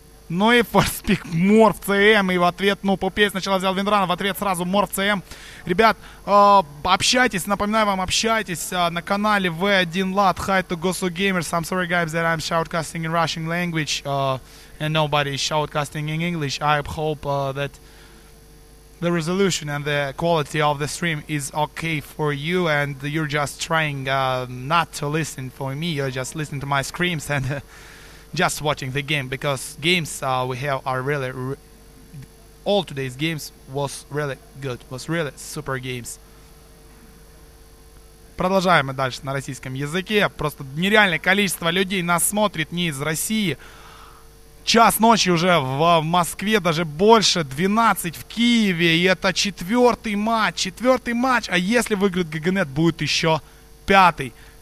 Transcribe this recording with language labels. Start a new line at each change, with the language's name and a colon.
Russian: Ну и Форспик, Мор в ЦМ. И в ответ, ну, Пупей сначала взял Винрана, в ответ сразу Мор в ЦМ. Ребят, общайтесь, напоминаю вам, общайтесь на канале V1LAT.
English: Hi to Gosu Gamers. I'm sorry, guys, that I'm shoutcasting in Russian language. And nobody is shoutcasting in English. I hope that the resolution and the quality of the stream is okay for you, and you're just trying not to listen for me. You're just listening to my screams and just watching the game, because games we have are really all today's games was really good, was really super games.
Russian: Продолжаем мы дальше на российском языке. Просто нереальное количество людей нас смотрит не из России. Час ночи уже в Москве, даже больше, 12 в Киеве, и это четвертый матч, а если выиграет ГГНет, будет еще пятый.